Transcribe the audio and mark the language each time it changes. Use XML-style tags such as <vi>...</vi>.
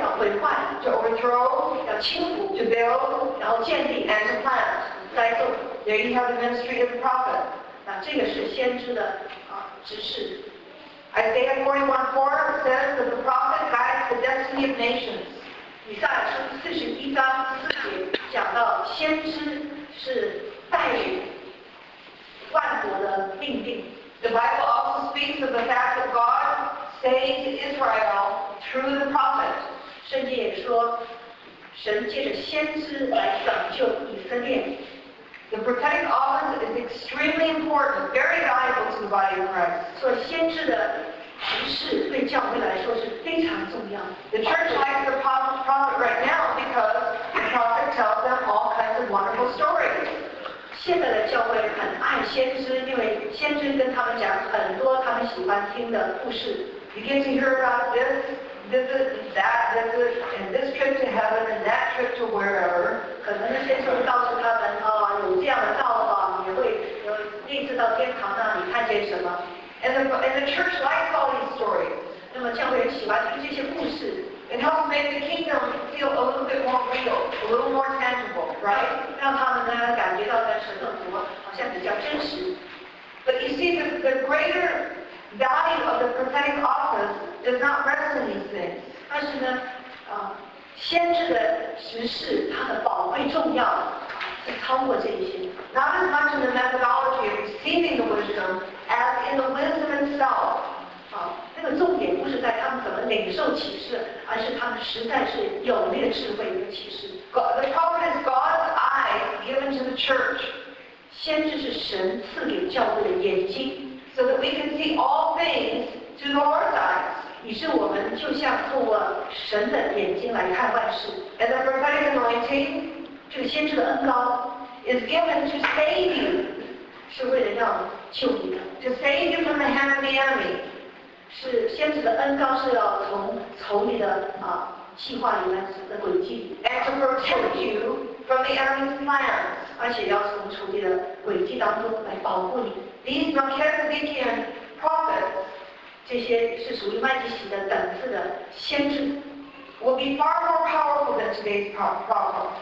<zh>要毁坏</zh> <en>to overthrow</en> <zh>要倾覆</zh> <en>to build</en> <zh>然后建立</zh> <en>and to plant</en> <zh>栽种</zh> <en>there you have the ministry of the prophet</en> <zh>那这个是先知的指示</zh> <en>Isaiah 41:4 says that the prophet guides the destiny of nations.</en> <zh>以赛亚书41:4讲到先知是带领万国的命定。</zh> <en>The Bible also speaks of the fact that God saved Israel through the prophet.</en> <zh>圣经也说神借着先知来拯救以色列。</zh> <en>The prophetic office is extremely important, very valuable to the body of Christ.</en> <zh>所以先知的服事对教会来说是非常重要。</zh> <en>The church likes the prophet right now because the prophet tells them all kinds of wonderful stories.</en> <zh>现在的教会很爱先知，因为先知跟他们讲很多他们喜欢听的故事。</zh> <en>You get to hear about this, visit, that visit, and this trip to heaven, and that trip to wherever.</en> <zh>可能那些时候告诉他们啊、哦，有这样的道啊，你会有立志到天堂那里看见什么。</zh> <en>And the church likes all these stories.</en> <zh>那么教会喜欢听这些故事。</zh> <en>It helps make the kingdom feel a little bit more real, a little more tangible, right?</en> <zh>让他们呢感觉到在神的国好像比较真实。</zh> <en>But you see, the greater value of the prophetic office does not rest in these things.</en> <zh>但是呢，先知的职事它的宝贵重要是超过这一些。</zh> <en>Not as much in the methodology of receiving the wisdom as in the wisdom itself.</en> <zh>那个重点不是在他们怎么领受启示，而是他们实在是有那个智慧与启示。</zh> <en>The prophet is God's eye given to the church.</en> <zh>先知是神赐给教会的眼睛。</zh> <en>So that we can see all things through the Lord's eyes.</en> <zh>以致我们就像透过神的眼睛来看万事。</zh> <en>And the prophetic anointing,</en> <zh>这个先知的恩膏。</zh> <en>Is given to save you,</en> <zh>是为了要救你的。</zh> <en>To save you from the hand of the enemy,</en> <zh>是先知的恩膏是要从仇敌的计划里面的诡计。</zh> <en>And to protect you from the enemy's plans,</en> <zh>而且要从仇敌的诡计当中来保护你。</zh> <en>These Melchizedekian prophets,</en> <zh>这些是属于麦基洗的等次的先知。</zh> <en>Will be far more powerful than today's prophet.</en>